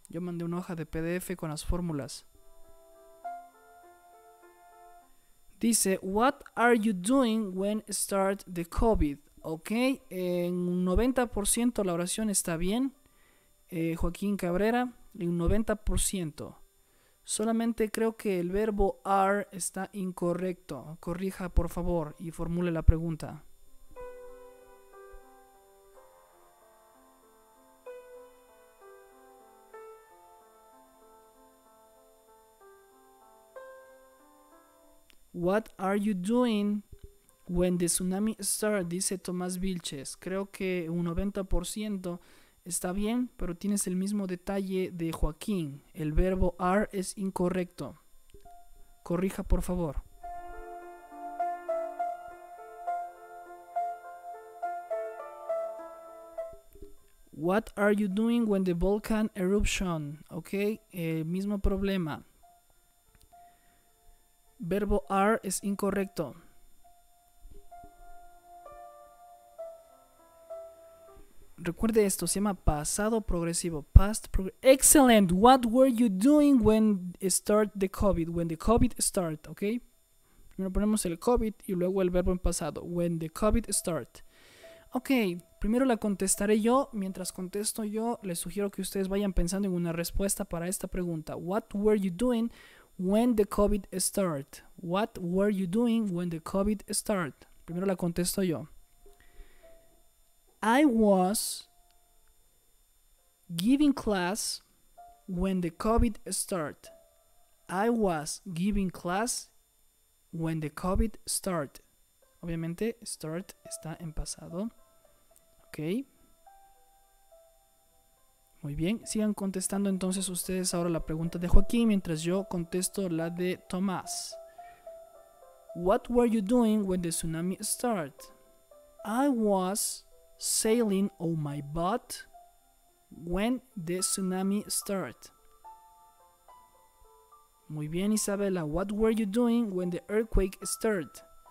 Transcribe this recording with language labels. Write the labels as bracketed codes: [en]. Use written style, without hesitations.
[es] Yo mandé una hoja de PDF con las fórmulas. Dice, [en] what are you doing when start the COVID? [es] Ok, en 90% la oración está bien, Joaquín Cabrera, en 90%. Solamente creo que el verbo are está incorrecto. Corrija, por favor, y formule la pregunta. [en] What are you doing when the tsunami starts? [es] Dice Tomás Vilches. Creo que un 90% está bien, pero tienes el mismo detalle de Joaquín. El verbo are es incorrecto. Corrija, por favor. [en] What are you doing when the volcan eruption? [es] Ok, mismo problema. Verbo are es incorrecto. Recuerde esto, se llama pasado progresivo. Past progresivo. [en] Excellent. What were you doing when start the COVID? When the COVID start, ok. [es] Primero ponemos el COVID y luego el verbo en pasado. [en] When the COVID start. [es] Ok, primero la contestaré yo. Mientras contesto yo, les sugiero que ustedes vayan pensando en una respuesta para esta pregunta. [en] What were you doing when the COVID start? What were you doing when the COVID start? [es] Primero la contesto yo. [en] I was giving class when the COVID start. I was giving class when the COVID start. [es] Obviamente, start está en pasado. Ok. Muy bien. Sigan contestando entonces ustedes ahora la pregunta de Joaquín mientras yo contesto la de Tomás. [en] What were you doing when the tsunami start? I was sailing on my boat when the tsunami start. [es] Muy bien, [en] Isabela. What were you doing when the earthquake start?